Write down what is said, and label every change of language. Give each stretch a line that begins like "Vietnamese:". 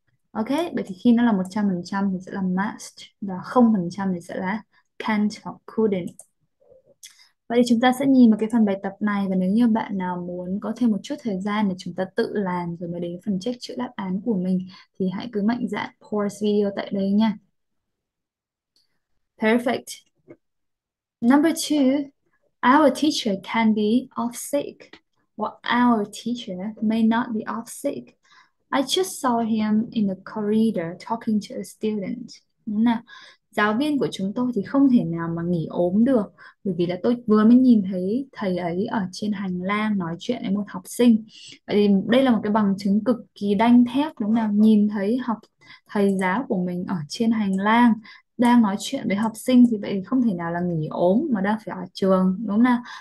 Vietnamese: Ok, vậy thì khi nó là 100% thì sẽ là must, và 0% thì sẽ là can't hoặc couldn't. Vậy thì chúng ta sẽ nhìn vào cái phần bài tập này, và nếu như bạn nào muốn có thêm một chút thời gian để chúng ta tự làm rồi mới đến phần check chữ đáp án của mình, thì hãy cứ mạnh dạn pause video tại đây nha.
English: Perfect. Number two, our teacher can be off sick, or our teacher may not be off sick. I just saw him in the corridor talking to a student.
Vietnamese: Đúng nào? Giáo viên của chúng tôi thì không thể nào mà nghỉ ốm được, bởi vì là tôi vừa mới nhìn thấy thầy ấy ở trên hành lang nói chuyện với một học sinh. Vậy thì đây là một cái bằng chứng cực kỳ đanh thép, đúng nào, nhìn thấy học thầy giáo của mình ở trên hành lang đang nói chuyện với học sinh, thì vậy thì không thể nào là nghỉ ốm mà đang phải ở trường, đúng nào.